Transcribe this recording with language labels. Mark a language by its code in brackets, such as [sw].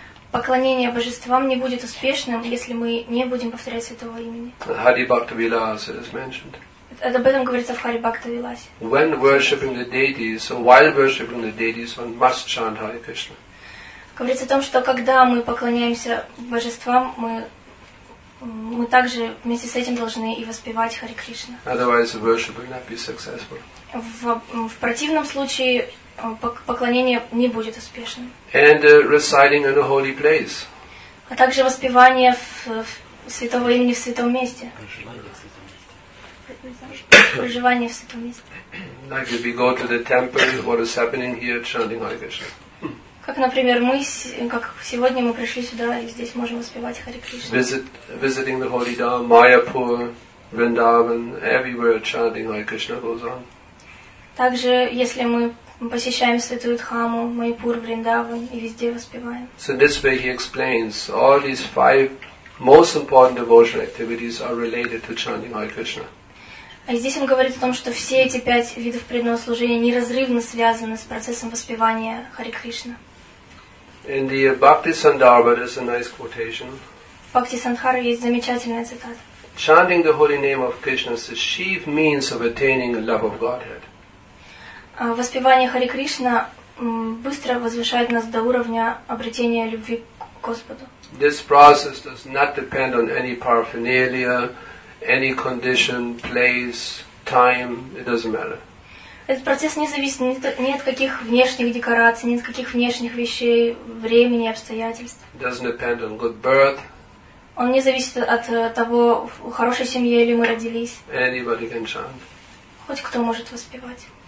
[ru] Поклонение божествам не будет успешным, если мы не будем повторять святого имени. [en] Hari Bhakta Vilas is mentioned. [ru] Об этом говорится в Hari Bhakta Vilas. [en] When worshipping the deities, so while worshipping the deities, one must chant Hare Krishna. [ru] Говорится о том, что когда мы поклоняемся божествам, мы также вместе с этим должны и воспевать Hare Krishna. [en] Otherwise, worship will not be successful. [ru] В противном случае поклонение не будет успешным. [en] And reciting in a holy place. [ru] А также воспевание святого имени в святом месте. Проживание в святом месте. [en] Like if we go to the temple, what is happening here, chanting Hare Krishna. [ru] Как, например, мы, как сегодня мы пришли сюда и здесь можем воспевать Hare Krishna. [en] Visiting the holy dharma, Mayapur, Vrindavan, everywhere chanting Hare Krishna goes on. [ru] Также, если мы посещаем святую дхаму, Майпур, Вриндаван и везде воспеваем. [en] So this way he explains all these five most important devotional activities are related to chanting Hare Krishna. [ru] А здесь он говорит о том, что все эти пять видов преданного служения неразрывно связаны с процессом воспевания Hare Krishna. [en] In the Bhakti Sandarbha, there's a nice quotation. [ru] В Бхакти Сандхаре есть замечательная цитата. [en] Chanting the holy name of Krishna is the chief means of attaining love of Godhead. [ru] Воспевание Hare Krishna быстро возвышает нас до уровня обретения любви к Господу. [en] This process does not depend on any paraphernalia, any condition, place, time, it doesn't matter. [ru] Этот процесс не зависит ни от каких внешних декораций, ни от каких внешних вещей, времени, обстоятельств. [en] Doesn't depend on good birth. [ru] Он не зависит от того, в хорошей семье ли мы родились. [en] Anybody can chant. [ru] Хоть кто может воспевать.